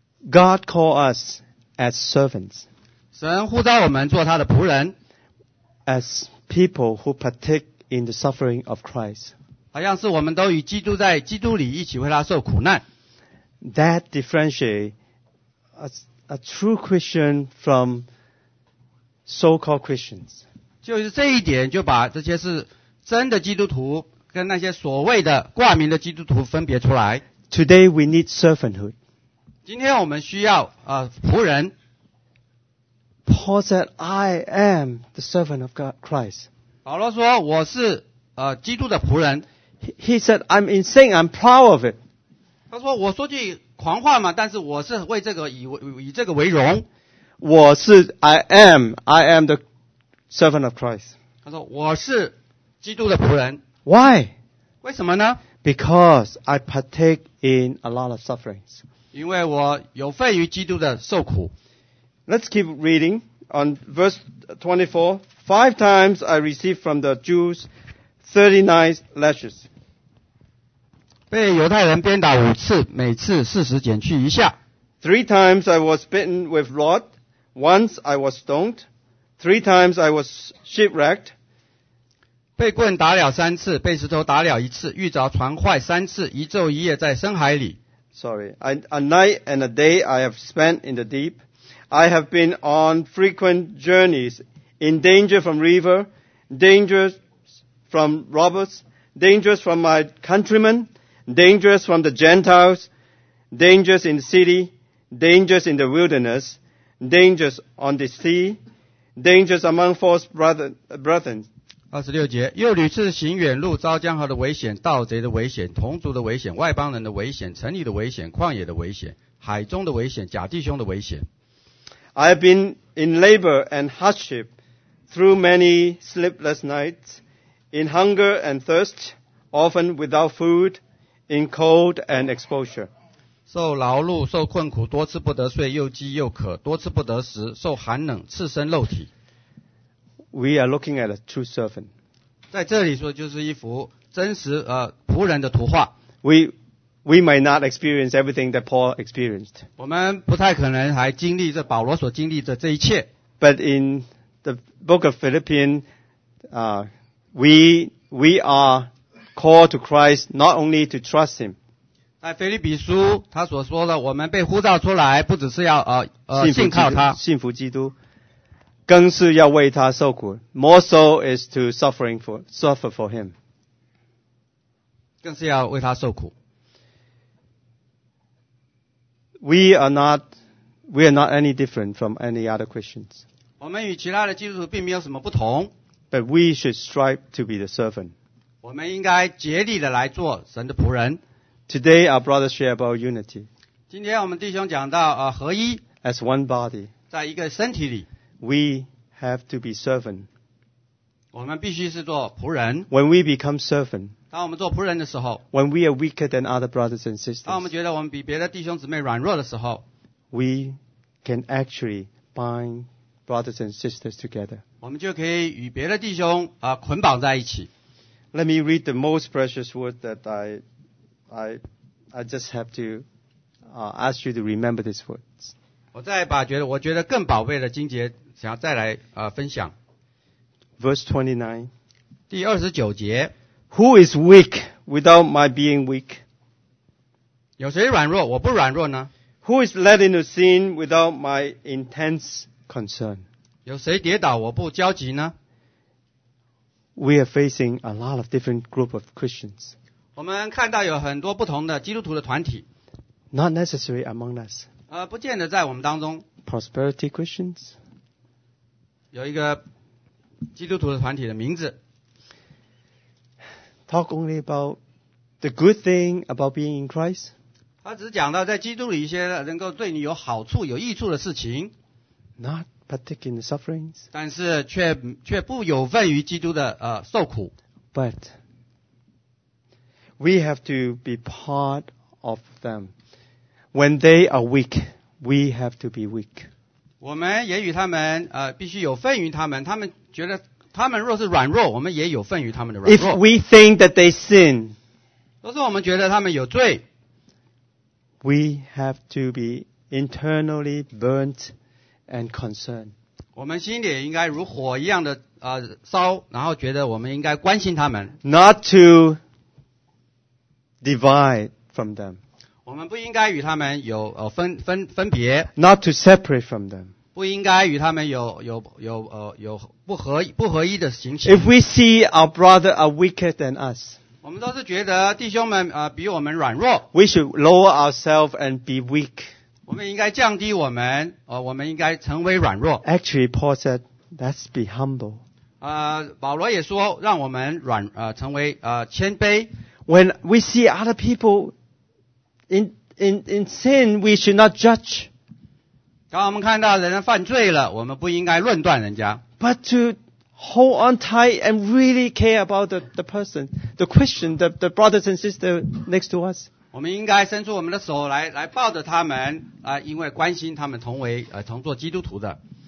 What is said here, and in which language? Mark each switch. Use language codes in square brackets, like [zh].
[en] God called us as servants. [zh] 神呼召我们做他的仆人, [en] as people who partake in the suffering of Christ. [zh] 好像是我们都与基督在基督里一起为他受苦难。 [en] That differentiates a true Christian from so-called Christians. [zh] 就是这一点就把这些是真的基督徒跟那些所谓的挂名的基督徒分别出来。 [en] Today we need servanthood. [zh] 今天我们需要, 仆人。 [en] Paul said, I am the servant of God, Christ. [zh] 保罗说,我是, 基督的仆人。 [en] He said, I'm insane, I'm proud of it. [zh] 他说我说句狂话嘛，但是我是为这个 以这个为荣。我是 [en] I am the servant of Christ。 [zh] 他说我是基督的仆人。 [en] Why? [zh] 为什么呢？ [en] Because I partake in a lot of sufferings。 [zh] 因为我有份于基督的受苦。 [en] Let's keep reading on verse 24. Five times I received from the Jews 39 lashes。 [zh] 被犹太人鞭打五次，每次40减去一下。 [en] Three times I was bitten with rod。 Once I was stoned, three times I was shipwrecked. [zh] 被棍打了三次，被石头打了一次，遇着船坏三次，一昼一夜在深海里。 [en] Sorry, a night and a day I have spent in the deep. I have been on frequent journeys, in danger from river, dangers from robbers, dangers from my countrymen, dangers from the Gentiles, dangers in the city, dangers in the wilderness. Dangers on the sea, dangers among false brethren. [zh] 26节，又屡次行远路，遭江河的危险，盗贼的危险，同族的危险，外邦人的危险，城里的危险，旷野的危险，海中的危险，假弟兄的危险。 [en] I have been in labor and hardship through many sleepless nights, in hunger and thirst, often without food, in cold and exposure. [zh] 受劳碌，受困苦，多次不得睡，又饥又渴，多次不得食，受寒冷，赤身肉体。 [en] We are looking at a true servant. [zh] 在这里说就是一幅真实仆人的图画。 [en] We may not experience everything that Paul experienced. [zh] 我们不太可能还经历这保罗所经历的这一切。 [en] But in the book of Philippians, we are called to Christ not only to trust him. [zh] 在腓立比书他所说的，我们被呼召出来不只是要信靠他，信服基督，更是要为他受苦。 [en] More so is to suffer for him， [zh] 更是要为他受苦。 [en] We are not any different from any other Christians， [zh] 我们与其他的基督徒并没有什么不同。 [en] But we should strive to be the servant， [zh] 我们应该竭力的来做神的仆人。 [en] Today our brothers share about unity. [zh] 今天我们弟兄讲到合一。 [en] As one body. [zh] 在一个身体里。 [en] We have to be servant. [zh] 我们必须是做仆人。 [en] When we become servant. [zh] 当我们做仆人的时候。 [en] When we are weaker than other brothers and sisters. [zh] 当我们觉得我们比别的弟兄姊妹软弱的时候。 [en] We can actually bind brothers and sisters together. [zh] 我们就可以与别的弟兄捆绑在一起。 [en] Let me read the most precious word that I just have to ask you to remember these words. [zh] 我再把我觉得更宝贝的经节想要再来分享。 [en] Verse 29. [zh] 第二十九节。 [en] Who is weak without my being weak? [zh] 有谁软弱我不软弱呢？ [en] Who is led into sin without my intense concern? [zh] 有谁跌倒我不焦急呢？ [en] We are facing a lot of different group of Christians. [zh] 我们看到有很多不同的基督徒的团体。 [en] Not necessary among us. [zh] 不见得在我们当中。 [en] Prosperity Christians. [zh] 有一个基督徒的团体的名字。 [en] Talk only about the good thing about being in Christ. [zh] 他只讲到在基督里一些能够对你有好处、有益处的事情。 [en] Not partake in the sufferings. [zh] 但是却不有份于基督的受苦。 [en] But,We have to be part of them. When they are weak, we have to be weak. [zh] 我们也与他们必须有份于他们。他们觉得他们若是软弱，我们也有份于他们的软弱。 [en] If we think that they sin, [zh] 若是我们觉得他们有罪， [en] we have to be internally burnt and concerned. [zh] 我们心里应该如火一样的烧，然后觉得我们应该关心他们。 [en] Not to. Divide from them. [zh] 我们不应该与他们有分别。 [en] Not to separate from them. [zh] 不应该与他们有不合一的情形。 [en] If we see our brother are weaker than us, [zh] 我们都是觉得弟兄们比我们软弱。 [en] We should lower ourselves and be weak. [zh] 我们应该降低我们我们应该成为软弱。 [en] Actually, Paul said, "Let's be humble." [zh] 保罗也说让我们成为谦卑。 [en] When we see other people In sin, we should not judge. [zh] 当我们看到人犯罪了，我们不应该论断人家。 [en] But to hold on tight and really care about the person, the Christian, the brothers and sisters next to us. [zh] 我们应该伸出我们的手来抱着他们啊，因为关心他们同做基督徒的。